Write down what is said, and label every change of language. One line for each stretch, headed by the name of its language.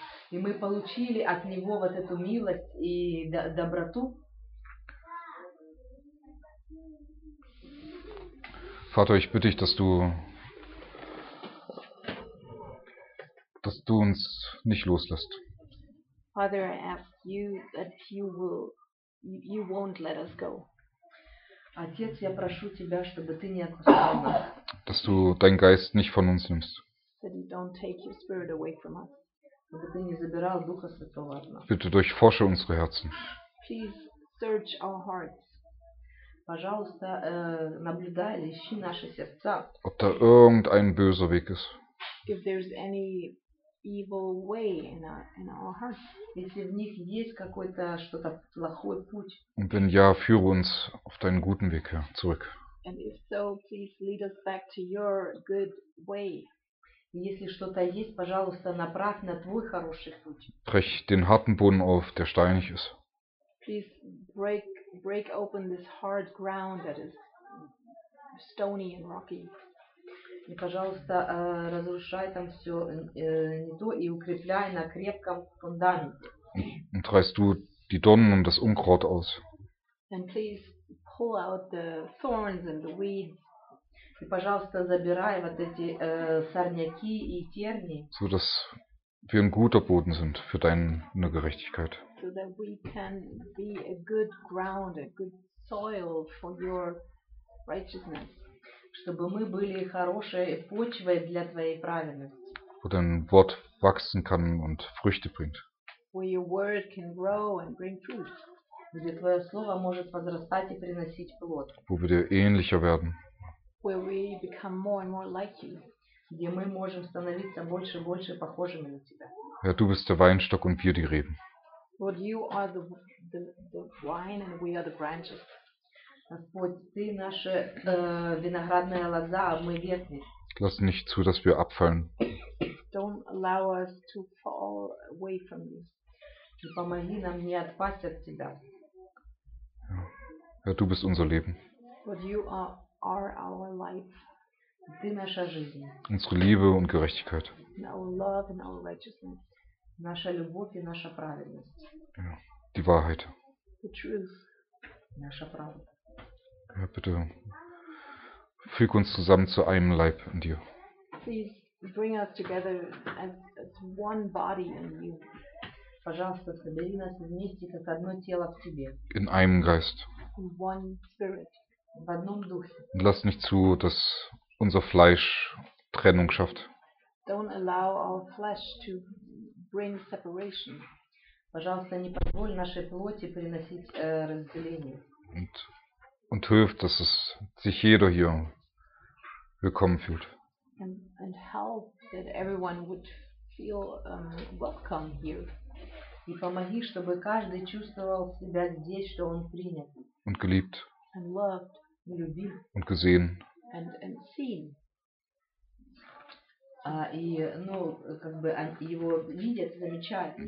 Russian: И мы получили от него вот эту милость и доброту.
German: Vater, ich bitte dich, dass du uns nicht loslässt.
English: Father, I ask you that you won't let us go.
Russian: Отец, я прошу тебя, чтобы ты не отпускал нас.
German: Dass du deinen Geist nicht von uns nimmst.
English: That you don't take your spirit away from us.
Russian: Чтобы ты не забирал Духа Святого от нас.
German: Bitte durchforsche unsere Herzen.
English: Please search our hearts.
Russian: Пожалуйста, наблюдай или ищи наши сердца.
German: Ob da irgendein böser Weg ist.
English: If there's any evil way in our hearts.
Russian: Если в них есть какой-то что-то плохой путь.
German: Und wenn ja, führe uns auf deinen guten Weg zurück.
English: And if so, please lead us back to your good way.
Russian: Если что-то есть, пожалуйста, направь на твой хороший путь.
German: Brech den harten Boden auf, der steinig ist.
English: Please break open this hard ground that is stony and rocky.
Russian: И, пожалуйста, разрушай там все не то и укрепляй на крепком фундаменте.
German: Und reißt du die Dornen und das Unkraut aus.
English: And please pull out the thorns and the weeds.
Russian: И, пожалуйста, забирай вот эти сорняки и терни.
German: So dass wir ein guter Boden sind für deine Gerechtigkeit.
English: So that we can be a good ground, a good soil for your righteousness.
Russian: Чтобы мы были хорошей почвой для твоей праведности.
German: Wo dein Wort wachsen kann und Früchte bringt.
English: Where your word can grow and bring fruit.
Russian: Где твое слово может возрастать и приносить плод.
German: Wo wir dir ähnlicher werden.
English: Where we become more and more like you.
Russian: Где мы можем становиться больше и больше похожими на тебя.
German: Ja, du bist der Weinstock und wir die Reben.
English: Lord, you are the vine and we are the branches.
Russian: Господь, ты наша виноградная лоза, а мы ветви.
German: Lass nicht zu, dass wir abfallen.
English: Don't allow us to fall away from you.
Russian: И помоги нам не отпасть от тебя.
German: Ja, du bist unser Leben.
English: Lord, you are our life.
Russian: Ты наша жизнь.
German: Unsere Liebe und Gerechtigkeit.
English: Our love and our righteousness.
Russian: Наша любовь и наша праведность.
German: Ja, die Wahrheit.
English: The truth.
Russian: Наша правда.
German: Ja, bitte füg uns zusammen zu einem Leib in dir.
English: Please bring us together as one body in you.
Russian: Пожалуйста, собери нас вместе как одно тело в тебе.
German: In einem Geist.
English: In one spirit.
Russian: В одном духе.
German: Und lass nicht zu, dass unser Fleisch Trennung schafft.
English: Don't allow our flesh to bring separation.
Russian: Пожалуйста, не позволь нашей плоти приносить разделение.
German: Und hilf, dass es sich jeder hier willkommen fühlt.
English: And help that everyone would feel welcome here.
Russian: И помоги, чтобы каждый чувствовал себя здесь, что он принят.
German: Und geliebt.
English: And loved.
Russian: И любим.
German: Und gesehen.
English: And seen.
Russian: И, ну, как бы его видят, замечают.